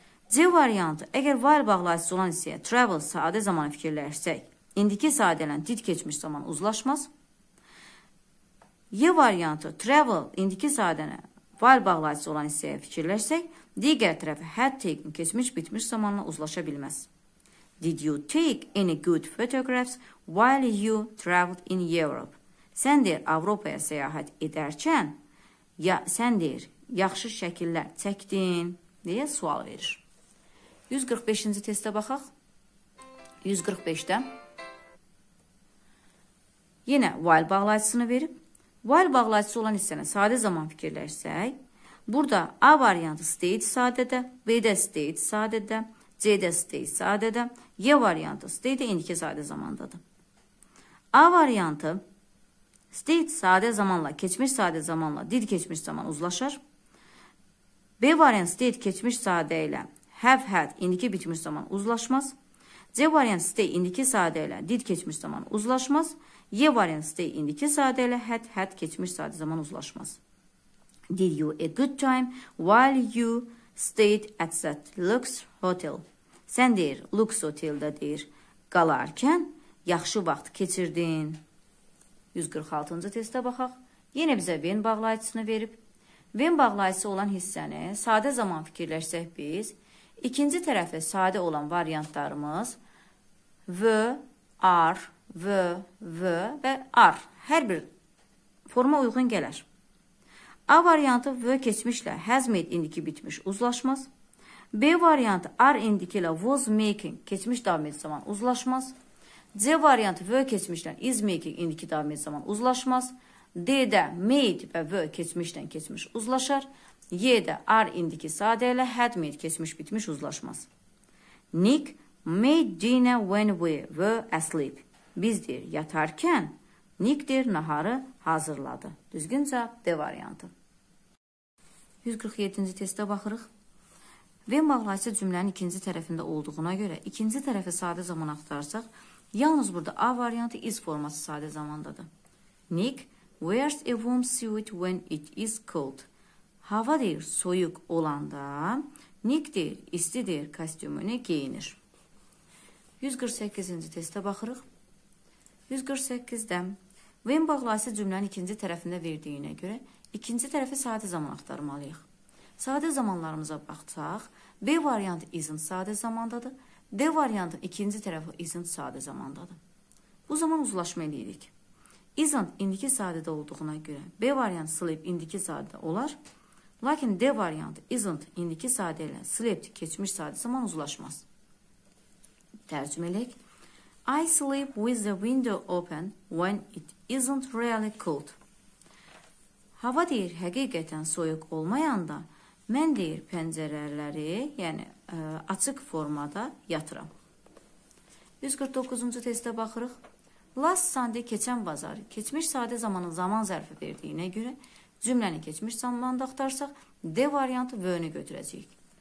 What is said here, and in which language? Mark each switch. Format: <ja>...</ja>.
<az>C variantı, əgər while bağlayıcısı olan hissəyə travel sadə zaman fikirləşsək, indiki sadə olan did keçmiş zaman uzlaşmaz. Y variantı travel indiki sadənə while bağlayıcısı olan hissəyə fikirləşsək, digər tərəfi</az> <en>had taken</en> <az>keçmiş bitmiş zamanla uzlaşa bilməz.</az> <en>Did you take any good photographs while you traveled in Europe?</en> <az>Sən deyir, Avropaya səyahət edərkən, ya sən deyir, yaxşı şəkillər çəkdin, deyə sual verir. 145-ci testə baxaq. 145-də yenə while bağlayıcısını verib, while bağlayıcısı olan hissəni sadə zaman fikirləşsək, burada A variantı stayed sadədə, B-də stayed sadədə, C-də stayed sadədə, Y variantı stayed indiki sadə zamandadır. A variantı stayed sadə zamanla, keçmiş sadə zamanla, did keçmiş zaman uzlaşar. B variantı stayed keçmiş sadə ilə</az> <en>have had</en> <az>indiki bitmiş zaman uzlaşmaz. C variantı stay indiki sadə ilə did keçmiş zaman uzlaşmaz. Y variantı stay indiki sadə ilə had keçmiş sadə zaman uzlaşmaz.</az> <en>Did you a good time while you stayed at that Lux Hotel?</en> <az>Sən deyir, Lux Hotel'da deyir, qalarkən yaxşı vaxt keçirdin. 146-cı testə baxaq. Yenə bizə when bağlayıcısını verib. When bağlayıcısı olan hissəni sadə zaman fikirləşsək biz, İkinci tərəfə sadə olan variantlarımız v, r, v, v və r. Hər bir forma uyğun gələr. A variantı v keçmişlə</az> <en>has made</en> <az>indiki bitmiş uzlaşmaz. B variantı r indiki ilə</az> <en>was making</en> <az>keçmiş davam etdiyi zaman uzlaşmaz. C variantı v keçmişlə</az> <en>is making</en> <az>indiki davam etdiyi zaman uzlaşmaz. D-də made və v keçmişdən keçmiş uzlaşar. Y-də R indiki sadə ilə</az> <en>had made</en> <az>keçmiş bitmiş uzlaşmaz.</az> <en>Nick made dinner when we were asleep.</en> <az>Biz deyir yatarkən, Nick deyir naharı hazırladı. Düzgün cavab D variantı. 147-ci testə baxırıq. When bağlayıcı cümlənin ikinci tərəfində olduğuna görə, ikinci tərəfi sadə zaman axtarsaq, yalnız burada A variantı is forması sadə zamandadır.</az> <en>Nick wears a warm suit when it is cold.</en> <az>Hava deyir, soyuq olanda, Nick deyir, isti deyir, kostümünü giyinir. 148-ci testə baxırıq. 148-də when bağlayıcı cümlənin ikinci tərəfində verdiyinə görə, ikinci tərəfi sadə zaman axtarmalıyıq. Sadə zamanlarımıza baxsaq, B variantı isn't sadə zamandadır, D variantı ikinci tərəfi isn't sadə zamandadır. Bu zaman uzlaşma edirik. Isn't indiki saatdə olduğuna görə B variantı sleep indiki saatdə olar. Lakin D variantı isn't indiki saatdə ilə sleep keçmiş saatdə zaman uzlaşmaz. Tərcümə eləyək.</az> <en>I sleep with the window open when it isn't really cold.</en> <az>Hava deyir həqiqətən soyuq olmayanda mən deyir pəncərələri, yəni açıq formada yatıram. 149-cu testə baxırıq.</az> <en>Last Sunday</en> <az>keçən bazar keçmiş saatdə zaman zərfi verdiyinə görə cümləni keçmiş zamanda axtarsaq D variantı were-ni götürəcəyik.</az>